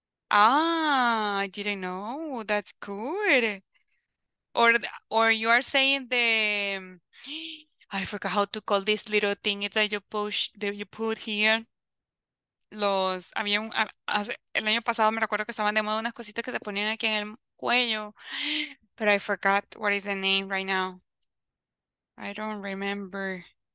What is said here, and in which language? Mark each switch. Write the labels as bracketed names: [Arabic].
[English] Ah, I didn't know, that's good. Or you are saying the, I forgot how to call this little thing that you push, that you put here. [Spanish] Los, había un, el año pasado me recuerdo que estaban de moda unas cositas que se ponían aquí en el cuello. [English] But I forgot what is the name right now. I don't remember.